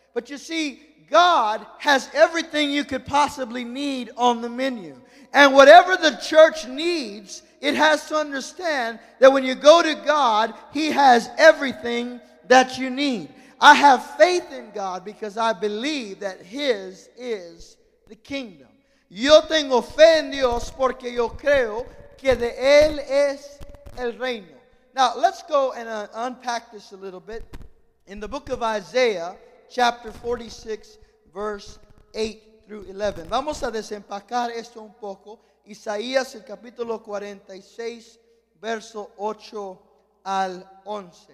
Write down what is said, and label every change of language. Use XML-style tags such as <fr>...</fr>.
<en>But you see, God has everything you could possibly need on the menu. And whatever the church needs, it has to understand that when you go to God, He has everything that you need. I have faith in God because I believe that His is the kingdom.</en> <es>Yo tengo fe en Dios porque yo creo que de Él es el reino.</es> <en>Now, let's go and unpack this a little bit. In the book of Isaiah, chapter 46, verse 8 through 11.</en> <es>Vamos a desempacar esto un poco. Isaías, el capítulo 46, verso 8 al 11.</es>